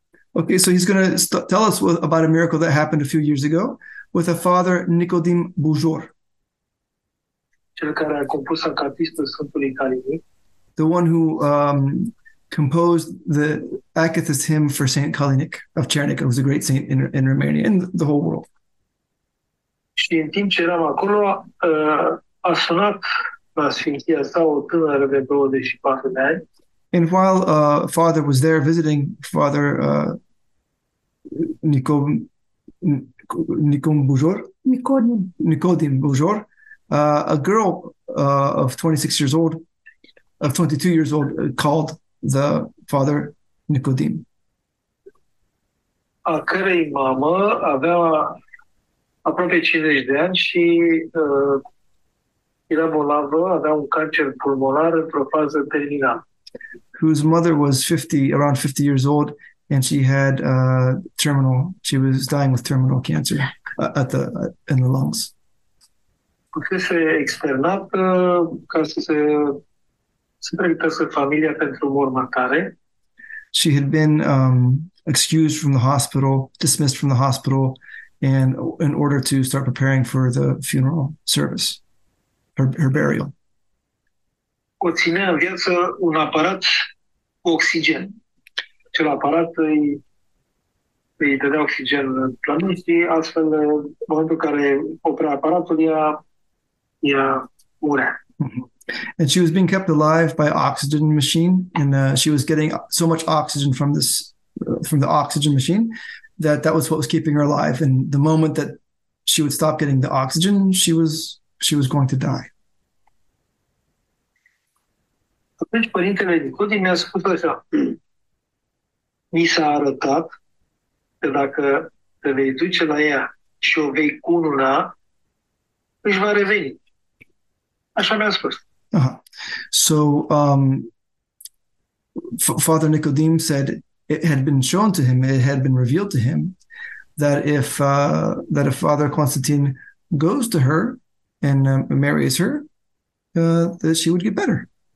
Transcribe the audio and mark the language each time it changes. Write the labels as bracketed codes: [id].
[en] Okay, so he's going to tell us about a miracle that happened a few years ago with a father, Nicodim Bujor. [ro] Cel care a compus acatistul Sfântului Calinic. [en] The one who composed the acathist hymn for Saint Calinic of Cernic, who was a great saint in Romania and the whole world. [ro] Și în timp ce eram acolo, a sunat la sfinția sa o tânără de 24 de ani. [en] And while Father was there visiting Father Nicodim Bujor, a girl of 22 years old, called the Father Nicodim. [ro] A cărei mamă avea aproape 50 de ani și era bolnavă, avea un cancer pulmonar într-o fază terminală. [en] Whose mother was around 50 years old, and she had terminal. She was dying with terminal cancer in the lungs. [ro] Fusese externat ca să pregătească familia pentru mormântare. [en] She had been excused from the hospital, dismissed from the hospital, and in order to start preparing for the funeral service, her burial. [ro] O ține în viață un aparat cu oxigen. Cel aparat îi dădea oxigen plămânii, astfel, în momentul în care oprea aparatul, ea murea. [en] And she was being kept alive by oxygen machine, and she was getting so much oxygen from this from the oxygen machine that was what was keeping her alive. And the moment that she would stop getting the oxygen, she was going to die. [ro] Atunci părintele Nicodim mi-a spus așa, mi s-a arătat că dacă te vei duce la ea și o vei cununa, își va reveni. Așa mi-a spus. Uh-huh. [en] So, Father Nicodem said it had been shown to him, it had been revealed to him, that if Father Constantine goes to her and marries her, that she would get better.